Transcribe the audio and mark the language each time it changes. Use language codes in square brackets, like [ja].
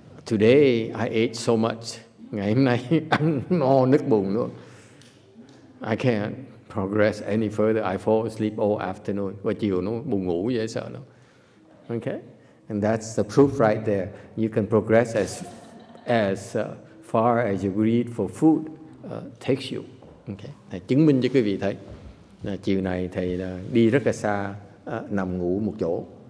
[en] Today I ate so much. [vi] Ngày hôm nay ăn no nước bùng luôn. [en] I can't progress any further. I fall asleep all afternoon. [vi] Và chiều nó buồn ngủ dễ sợ lắm. [en] Okay? And that's the proof right there. You can progress as far as you greed for food takes you. Okay? [vi] Thầy chứng minh cho quý vị thấy. Chiều này thầy đi rất là xa, nằm ngủ một chỗ.